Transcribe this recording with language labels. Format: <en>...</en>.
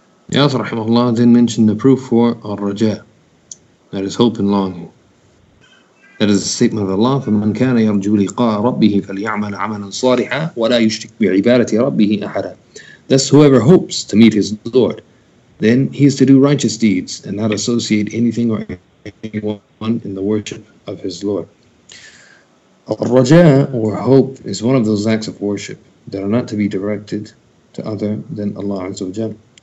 <en>Yes, rahimahullah then mentioned the proof for al-raja, that is hope and longing. That is the statement of Allah,</en> <ar>فَمَنْ كَانَ يَرْجُو لِقَاءَ رَبِّهِ فَلْيَعْمَلْ عَمَلًا صَالِحًا وَلَا يُشْرِكْ بِعِبَادَةِ رَبِّهِ أَحَدًا.</ar> <en>Thus, whoever hopes to meet his Lord, then he is to do righteous deeds and not associate anything or anyone in the worship of his Lord. Al-raja, or hope, is one of those acts of worship that are not to be directed to other than Allah Azza wa Jalla.</en>